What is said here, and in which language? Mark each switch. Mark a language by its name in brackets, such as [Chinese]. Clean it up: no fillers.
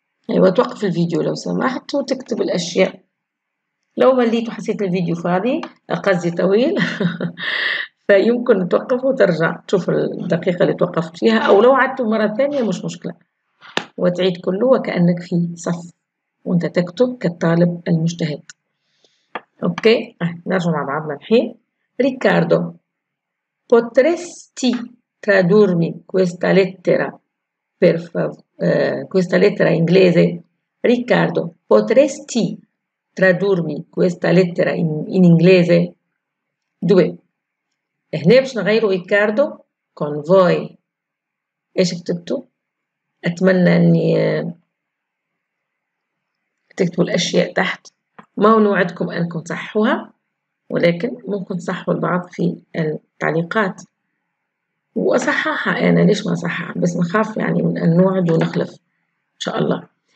[Arabic] أيوة توقف الفيديو لو سمحت وتكتب الأشياء لو مليت وحسيت الفيديو فاضي قصدي طويل فيمكن توقف وترجع تشوف الدقيقة اللي توقفت فيها أو لو عدت مرة ثانية مش مشكلة وتعيد كله وكأنك في صف وأنت تكتب كالطالب المجتهد. أوكي نرجع مع بعضنا الحين. [Italian] ريكاردو potresti tradurmi questa lettera per questa lettera inglese? ريكاردو potresti tradurmi questa lettera in inglese? 2. [Arabic] هنا باش نغيروا ريكاردو كونفوي. ايش كتبتوا؟ اتمنى اني تكتبوا الاشياء تحت، ما نوعدكم انكم تصحوها ولكن ممكن تصحوا البعض في التعليقات، واصححها انا ليش ما صحح، بس نخاف يعني من ان نوعد ونخلف ان شاء الله.